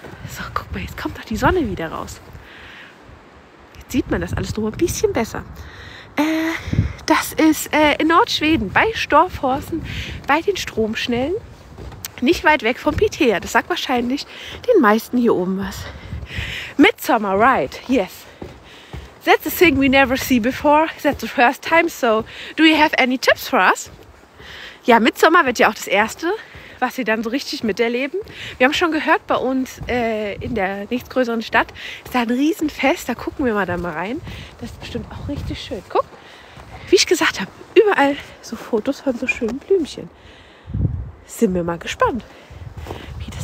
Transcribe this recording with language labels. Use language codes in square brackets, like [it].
[de] So, guck mal, jetzt kommt doch die Sonne wieder raus. Jetzt sieht man das alles nur ein bisschen besser. Das ist in Nordschweden, bei Storforsen, bei den Stromschnellen. Nicht weit weg vom Pitea. Das sagt wahrscheinlich den meisten hier oben was. [en] Midsummer Ride, yes. That's a thing we never see before. That's the first time, so do you have any tips for us? [de] Ja, Midsummer wird ja auch das Erste, was sie dann so richtig miterleben. Wir haben schon gehört, bei uns in der nächstgrößeren Stadt ist da ein Riesenfest. Da gucken wir mal da mal rein. Das ist bestimmt auch richtig schön. Guck, wie ich gesagt habe, überall so Fotos von so schönen Blümchen. Sind wir mal gespannt, wie das